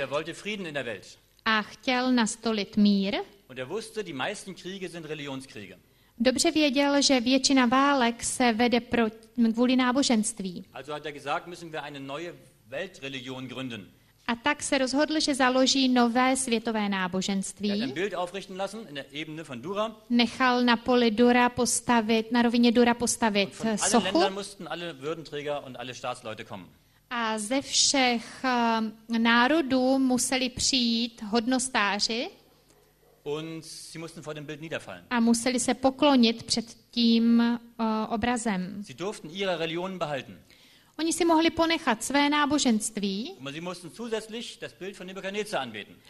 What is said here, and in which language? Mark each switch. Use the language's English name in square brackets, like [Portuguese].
[German] Er wollte Frieden in der Welt. [Czech] A chtěl nastolit mír. [German] Und er wusste, die meisten Kriege sind Religionskriege. [Czech] Dobře věděl, že většina válek se vede kvůli náboženství. [German] Also hat er gesagt, müssen wir eine neue Weltreligion gründen. [Czech] A tak se rozhodl, že založí nové světové náboženství. [German] Er hat ein Bild aufrichten lassen in der Ebene von Dura. [Czech] Nechal na poli Dura postavit, na rovině Dura postavit sochu. [German] Von allen Ländern mussten alle Würdenträger und alle Staatsleute kommen. [Czech] A ze všech národů museli přijít hodnostáři. [German] Und sie mussten vor dem Bild niederfallen. [Czech] A museli se poklonit před tím obrazem. [German] Sie durften ihre Religionen behalten. [Czech] Oni si mohli ponechat své náboženství. [German] Und sie mussten zusätzlich das Bild von Nebukadnezar anbeten.